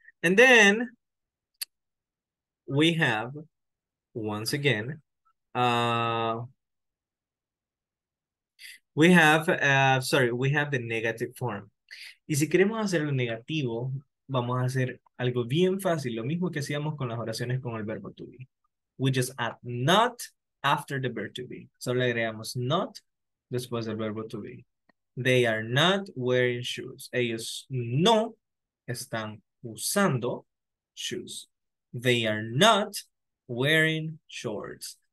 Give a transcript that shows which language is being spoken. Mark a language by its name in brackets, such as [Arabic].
[English] And then we have, once again, we have the negative form. [Spanish] Y si queremos hacer lo negativo, vamos a hacer algo bien fácil, lo mismo que hacíamos con las oraciones con el verbo to be. [English] We just add not after the verb to be. [Spanish] Solo agregamos not después del verbo to be. They are not wearing shoes. Ellos no están usando shoes. [English] They are not wearing shorts.